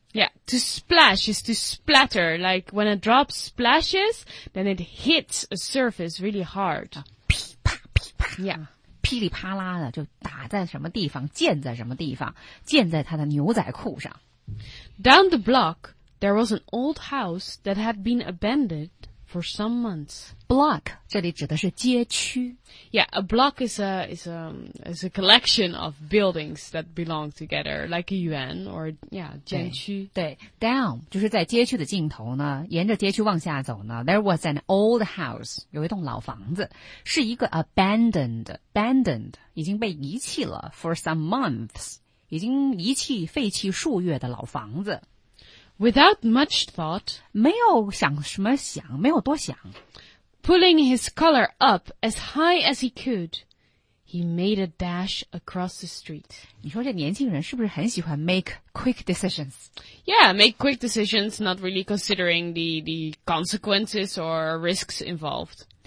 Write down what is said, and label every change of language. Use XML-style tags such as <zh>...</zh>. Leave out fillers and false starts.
<en>Yeah, to splash is to splatter, like when a drop splashes, then it hits a surface really hard.</en> <zh>噼啪噼啪。</zh> <en>Yeah.</en> <zh>噼里啪啦的就打在什么地方溅在什么地方溅在他的牛仔裤上。</zh> <en>Down the block, there was an old house that had been abandoned for some months.</en> <zh>Block, 这里指的是街区。</zh> <en>Yeah, a block is a collection of buildings that belong together, like a yuan or, yeah, 街区。</en> <zh>对, down, 就是在街区的尽头呢,沿着街区往下走呢,</zh> <en>there was an old house,</en> <zh>有一栋老房子,是一个 abandoned, 已经被遗弃了</zh> <en>for some months,</en> <zh>已经遗弃废弃数月的老房子。</zh> <en>Without much thought,</en> <zh>没有想什么想,没有多想。</zh> <en>Pulling his collar up as high as he could, he made a dash across the street.</en> <zh>你说这年轻人是不是很喜欢</zh> <en>make quick decisions? Yeah, make quick decisions, not really considering the consequences or risks involved.</en>